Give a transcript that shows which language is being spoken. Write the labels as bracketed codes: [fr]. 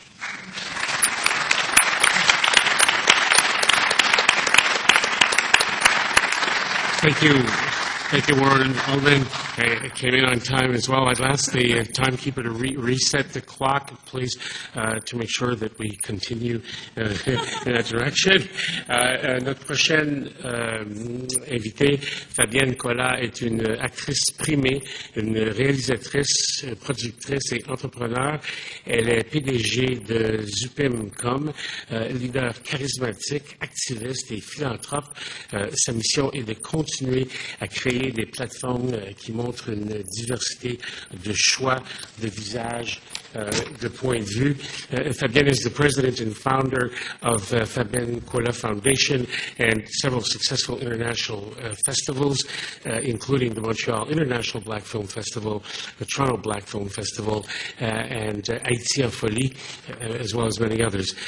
[en] Thank you. Thank you, Warren Alden. I came in on time as well. I'd ask the timekeeper to reset the clock, please, to make sure that we continue in that direction. [fr] Notre prochaine invitée, Fabienne Collat, est une actrice primée, une réalisatrice, productrice et entrepreneur. Elle est PDG de Zupim.com, leader charismatique, activiste et philanthrope. Sa mission est de continuer à créer des plateformes qui montrent une diversité de choix, de visages, de points de vue. [en] Fabienne is the president and founder of Fabienne Collat Foundation and several successful international festivals, including the Montreal International Black Film Festival, the Toronto Black Film Festival, and Haïti en Folie, as well as many others.